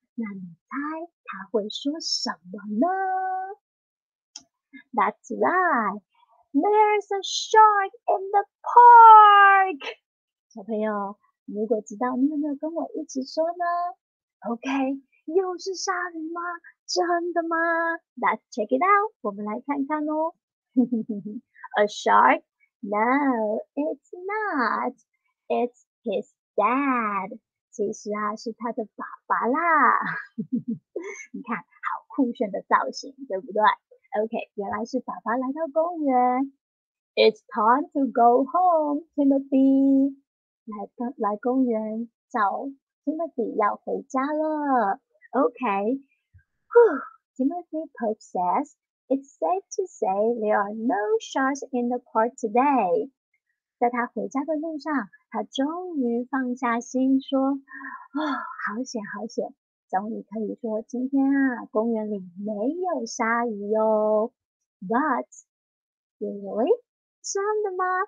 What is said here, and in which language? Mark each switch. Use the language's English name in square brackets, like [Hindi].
[Chinese] 那你猜他会说什么呢？ [English] That's right. There's a shark in the park. [Chinese] 小朋友。如果知道，你有没有跟我一起说呢？OK，又是鲨鱼吗？真的吗？ [English] Let's check it out， [Chinese] 我们来看看哦。 [English] A shark？No，it's not，it's his dad。 [Chinese] 其实啊，是他的爸爸啦。你看，好酷炫的造型，对不对？OK，原来是爸爸来到公园。 [English] It's time to go home，Timothy。 [Chinese] 来公园找 Timothy 要回家了。 [English] OK，Timothy Pope says it's safe to say there are no sharks in the park today。 [Chinese] 在他回家的路上，他终于放下心说：“好险好险，终于可以说今天啊，公园里没有鲨鱼哟。 ” [English] But really， [Chinese] 真的吗？